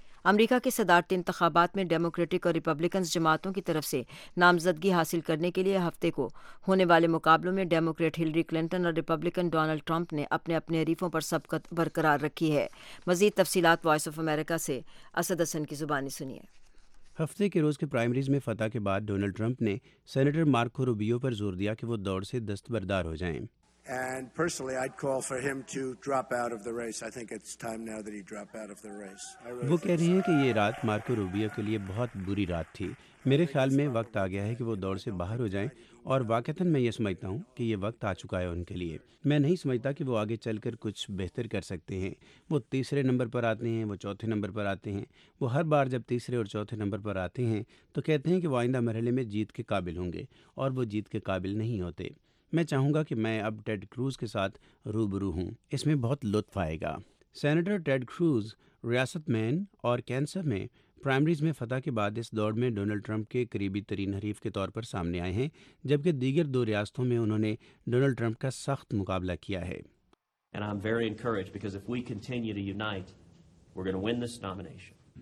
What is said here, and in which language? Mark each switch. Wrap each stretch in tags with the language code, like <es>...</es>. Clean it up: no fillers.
<ur>امریکہ کے صدارتی انتخابات میں ڈیموکریٹک اور ریپبلکنز جماعتوں کی طرف سے نامزدگی حاصل کرنے کے لیے ہفتے کو ہونے والے مقابلوں میں ڈیموکریٹ ہلری کلنٹن اور ریپبلکن ڈونلڈ ٹرمپ نے اپنے اپنے حریفوں پر سبقت برقرار رکھی ہے۔ مزید تفصیلات وائس آف امریکہ سے اسد حسن کی زبانی سنیے۔ ہفتے کے روز کے پرائمریز میں فتح کے بعد ڈونلڈ ٹرمپ نے سینیٹر مارکو روبیو پر زور دیا کہ وہ دوڑ سے دستبردار ہو جائیں۔</ur> <en>And personally, I'd call for him to drop out of the race. I think it's time now that he drop out of the race.</en> <ur>وہ کہہ رہے ہیں کہ یہ رات مارکو روبیو کے لیے بہت بری رات تھی۔ میرے خیال میں وقت آ گیا ہے کہ وہ دوڑ سے باہر ہو جائیں، اور واقعتاً میں یہ سمجھتا ہوں کہ یہ وقت آ چکا ہے ان کے لیے۔ میں نہیں سمجھتا کہ وہ آگے چل کر کچھ بہتر کر سکتے ہیں۔ وہ تیسرے نمبر پر آتے ہیں، وہ چوتھے نمبر پر آتے ہیں۔ وہ ہر بار جب تیسرے اور چوتھے نمبر پر آتے ہیں تو کہتے ہیں کہ وہ آئندہ مرحلے میں جیت کے قابل ہوں گے، اور وہ جیت کے قابل نہیں ہوتے۔ میں چاہوں گا کہ میں اب ٹیڈ کروز کے ساتھ روبرو ہوں، اس میں بہت لطف آئے گا۔ سینیٹر ٹیڈ کروز ریاست مین اور کینسر میں پرائمریز میں فتح کے بعد اس دوڑ میں ڈونلڈ ٹرمپ کے قریبی ترین حریف کے طور پر سامنے آئے ہیں، جبکہ دیگر دو ریاستوں میں انہوں نے ڈونلڈ ٹرمپ کا سخت مقابلہ کیا ہے۔</ur> <en>And I'm very encouraged because if we continue to unite, we're going to win this nomination.</en>